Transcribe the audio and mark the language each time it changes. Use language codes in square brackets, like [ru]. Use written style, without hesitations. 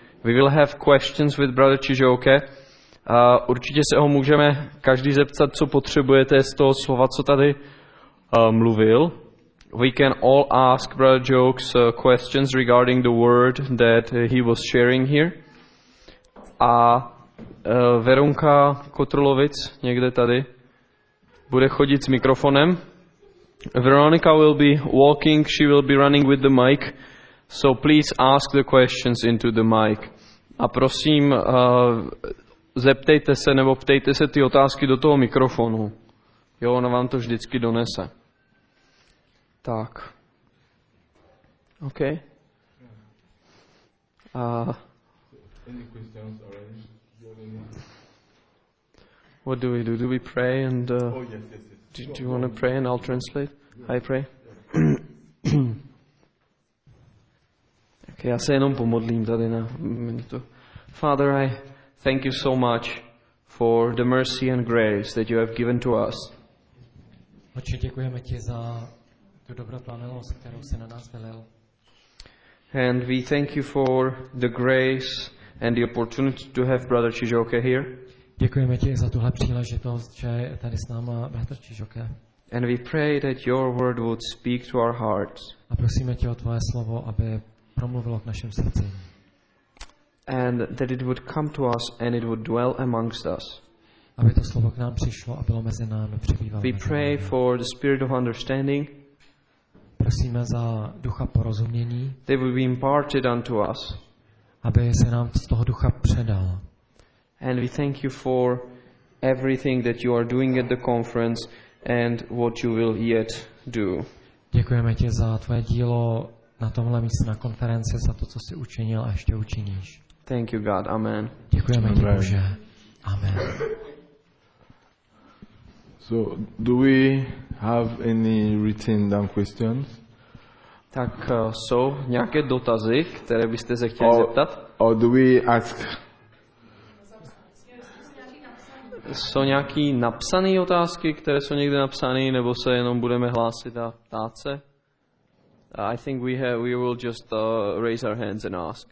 [en] We will have questions with brother Čižoke. [cs] Určitě se ho můžeme každý zeptat, co potřebujete z toho slova, co tady mluvil. [en] We can all ask brother Jokes questions regarding the word that he was sharing here. [cs] A Verunka Kotrlovic, někde tady, bude chodit s mikrofonem. [en] Veronica will be walking, she will be running with the mic. So please ask the questions into the mic. [cs] A prosím, zeptejte se nebo ptejte se ty otázky do toho mikrofonu. Jo, ona vám to vždycky donese. Tak. Okay. [en] Any questions already? What do we do? Do we pray and Yes. Do you want to pray and I'll translate? Yes. I pray. [cs] Okay, já se jenom pomodlím tady na minutu. [en] Father, I thank you so much for the mercy and grace that you have given to us. [cs] Oče, děkujeme ti za tu dobrou plánovost, kterou jsi na nás vylil. [en] And we thank you for the grace and the opportunity to have brother Čižoke here. [cs] Děkujeme ti za tuhle příležitost, že je tady s náma bratr Čižoke. [en] And we pray that your word would speak to our hearts. [cs] A prosíme tě o tvoje slovo, aby promluvilo k našim srdcím. [en] And that it would come to us and it would dwell amongst us. [cs] Aby to slovo k nám přišlo a bylo mezi námi přebývalo. [en] We pray for the spirit of understanding. [cs] Prosíme za ducha porozumění. [en] That would be imparted unto us. [cs] Aby se nám z toho ducha předal. [en] And we thank you for everything that you are doing at the conference and what you will yet do. [cs] Děkujeme ti za tvoje dílo na tomhle místě na konferenci, za to, co jsi učinil a ještě učiníš. [en] Thank you, God. Amen. [cs] Děkujeme ti, Bože. Amen. [en] So, do we have any written down questions? [cs] Tak jsou nějaké dotazy, které byste se chtěli zeptat? [en] Or do we ask? [cs] Jsou nějaké napsané otázky, které jsou někde napsané, nebo se jenom budeme hlásit a ptát se? [en] I think we will just raise our hands and ask.